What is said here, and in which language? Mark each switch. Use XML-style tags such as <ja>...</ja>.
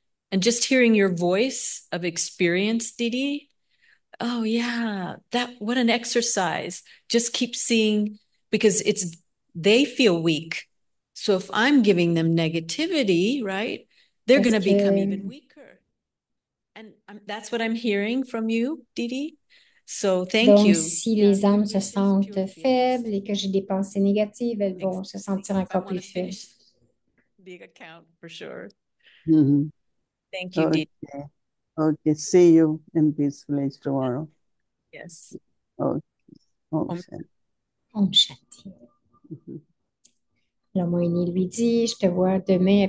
<en>And just hearing your voice of experience, Didi, oh yeah, that what an exercise. Just keep seeing, because it's they feel weak. So if I'm giving them negativity, right, they're going to become even weaker. And that's what I'm hearing from you, Didi. So thank</en> <fr>Donc,</fr> <en>you.</en> <fr>Si les âmes se sentent faibles et que j'ai des pensées négatives, elles vont se sentir encore plus faibles.</fr> <en>Big account for sure. Mm-hmm. Thank you, okay. Dee. Okay, see you in peace place tomorrow. Yes. Okay.</en> <fr>Om Shanti. Mm-hmm. Alors, Mohini lui dit, je te vois demain à</fr>